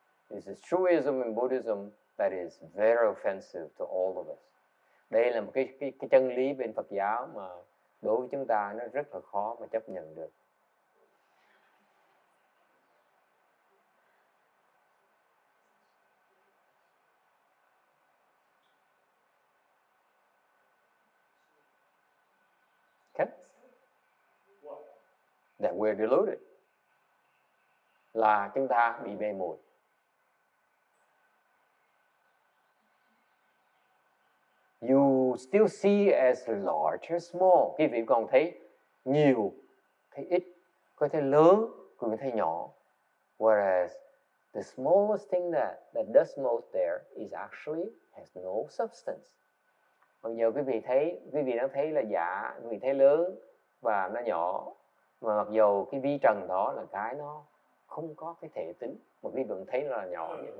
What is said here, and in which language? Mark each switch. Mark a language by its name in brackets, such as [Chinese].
[English] This is truism in Buddhism that is very offensive to all of us. [Vietnamese] Đây là một cái chân lý bên Phật giáo mà đối với chúng ta nó rất là khó mà chấp nhận được. [English] Okay? What? That we're deluded. [Vietnamese] Là chúng ta bị mê muội. [English] You still see as large or small. [Vietnamese] Quý vị còn thấy nhiều, thấy ít, có thể lớn, có thể nhỏ. [English] Whereas the smallest thing that does most there is actually has no substance. [Vietnamese] Mặc dù quý vị thấy, quý vị đang thấy là giả, quý vị thấy lớn và nó nhỏ, mà mặc dù cái vi trần đó là cái nó không có cái thể tính, mà quý vị vẫn thấy nó là nhỏ.